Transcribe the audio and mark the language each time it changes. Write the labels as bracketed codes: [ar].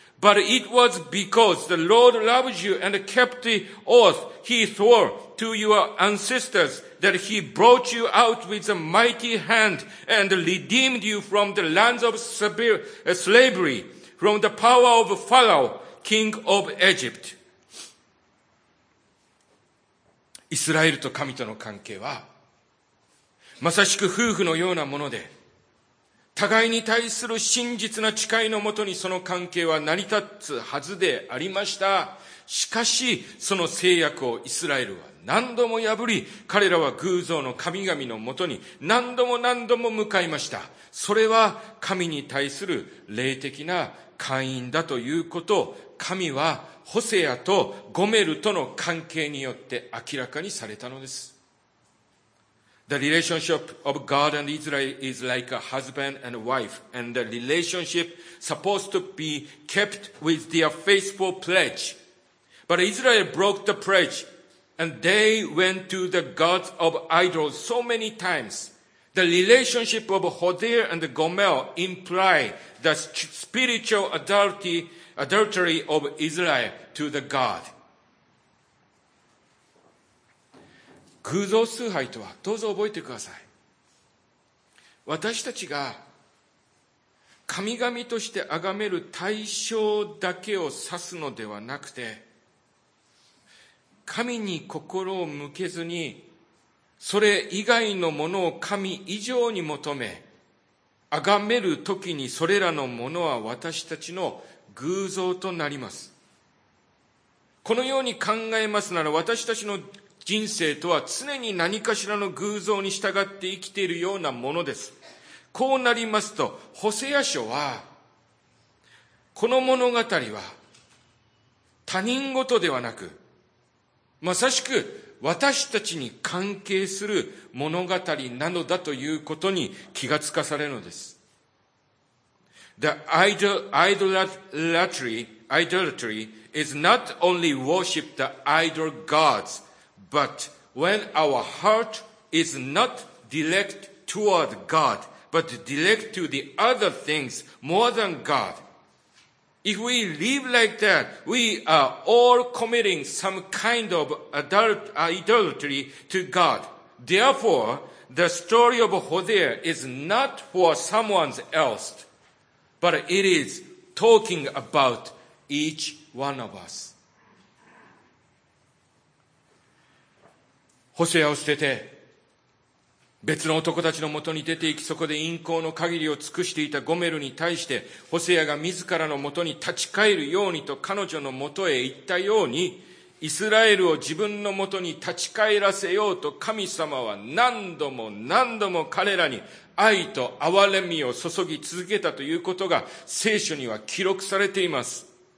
[en] But it was because the Lord loved you and kept the oath he swore to your ancestors that he brought you out with a mighty hand and redeemed you from the lands of slavery, from the power of Pharaoh, king of Egypt. [ja] イスラエルと神との関係はまさしく夫婦のようなもので、互いに対する真実な誓いのもとにその関係は成り立つはずでありました。しかしその制約をイスラエルは何度も破り、彼らは偶像の神々のもとに何度も何度も向かいました。それは神に対する霊的な姦淫だということを神はホセアとゴメルとの関係によって明らかにされたのです。 [en] The relationship of God and Israel is like a husband and wife, and the relationship supposed to be kept with their faithful pledge. But Israel broke the pledge, and they went to the gods of idols so many times. The relationship of Hosea and Gomer imply the spiritual adultery of Israel to the God. [ja] 偶像崇拝とは、どうぞ覚えてください。私たちが神々として崇める対象だけを指すのではなくて、神に心を向けずに、それ以外のものを神以上に求め、崇めるときにそれらのものは私たちの偶像となります。このように考えますなら、私たちの人生とは常に何かしらの偶像に従って生きているようなものです。こうなりますと、ホセア書は、この物語は他人事ではなく、まさしく私たちに関係する物語なのだということに気がつかされるのです。 [en] The idolatry is not only worship the idol gods,But when our heart is not direct toward God, but direct to the other things more than God, if we live like that, we are all committing some kind of idolatry to God. Therefore, the story of Hosea is not for someone else, but it is talking about each one of us. [ja] ホセアを捨てて別の男たちのもとに出て行き、そこで淫行の限りを尽くしていたゴメルに対して、ホセアが自らのもとに立ち返るようにと彼女のもとへ行ったように、イスラエルを自分のもとに立ち返らせようと神様は何度も何度も彼らに愛と憐れみを注ぎ続けたということが聖書には記録されています。